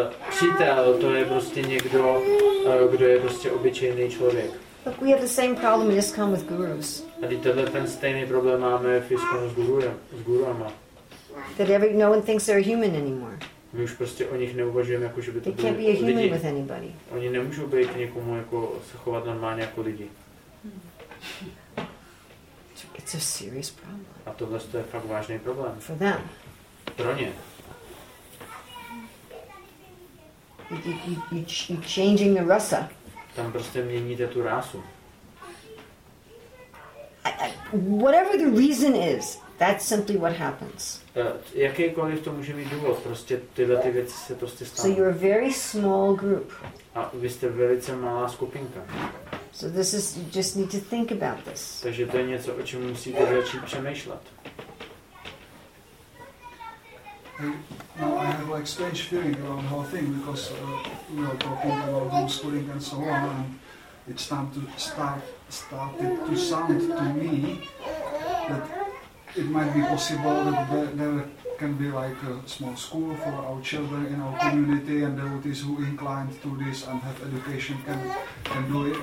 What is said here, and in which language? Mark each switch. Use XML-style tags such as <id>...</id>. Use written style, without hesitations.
<cs>Přítel to je prostě někdo, kdo je prostě obyčejný člověk.</cs> <en>Look, we have the same problem in ISKCON with gurus.</en> <cs>A tohle ten stejný problém máme v ISKCON s gurama.</cs> <en>That every no one thinks they're human anymore.</en> <cs>My už prostě o nich neuvažujeme jako že by to byli lidi.</cs> <en>They can't be a human with anybody.</en> <cs>Oni nemůžou být někomu jako se chovat normálně jako lidi.</cs> <en>It's a serious problem.</en> <cs>A tohle to je fakt vážný problém.</cs> <en>For them.</en> <cs>Pro ně.</cs> <en>You changing the rasa.</en> <cs>Tam prostě měníte tu rasu.</cs> <en>Whatever the reason is. That's simply what happens.</en> <cs>Jakýkoliv to může mít důvod, prostě tyhle ty věci se prostě stanou.</cs> <en>So you're a very small group.</en> <cs>A vy jste velice malá skupinka.</cs> <en>So this is, you just need to think about this.</en> <cs>Takže to je něco, o čem musíte začít přemýšlet.</cs> <en>No, I have like strange feeling around the whole thing because we are talking about homeschooling and so on, and it's time to start it to sound to me that it might be possible that there can be like a small school for our children in our community, and devotees who inclined to this and have education can do it.</en>